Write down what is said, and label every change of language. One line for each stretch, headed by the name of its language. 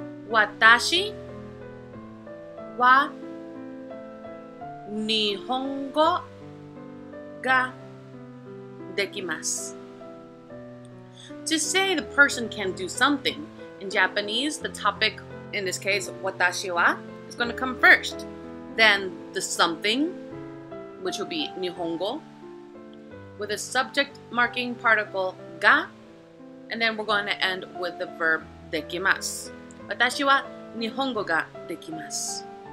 Japanese: 私は日本語ができます.
English: To say the person can do something, in Japanese, the topic, in this case, 私は, is going to come first. Then the something, which will be 日本語, with a subject marking particle が, and then we're going to end with the verb できます.
Japanese: 私は日本語ができます。